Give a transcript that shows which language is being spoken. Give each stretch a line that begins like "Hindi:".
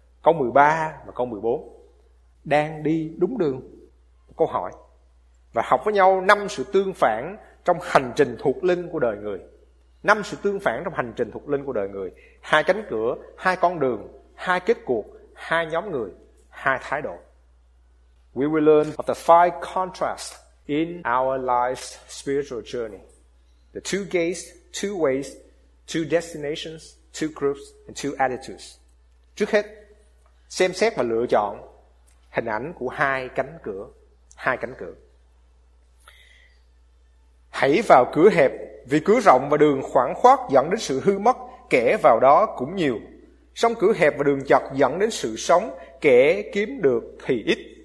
Vietnamese: Câu 13 và câu 14. Đang đi đúng đường? Câu hỏi. Và học với nhau năm sự tương phản trong hành trình thuộc linh của đời người. Năm sự tương phản trong hành trình thuộc linh của đời người. Hai cánh cửa, hai con đường, hai kết cuộc, hai nhóm người, hai thái độ.
English: We will learn of the five contrasts in our life's spiritual journey. The two gates, two ways, two destinations, two groups, and two attitudes.
Vietnamese: Trước hết, xem xét và lựa chọn hình ảnh của hai cánh cửa. Hai cánh cửa. Hãy vào cửa hẹp, vì cửa rộng và đường khoảng khoát dẫn đến sự hư mất, kẻ vào đó cũng nhiều. Song cửa hẹp và đường chật dẫn đến sự sống, kẻ kiếm được thì ít.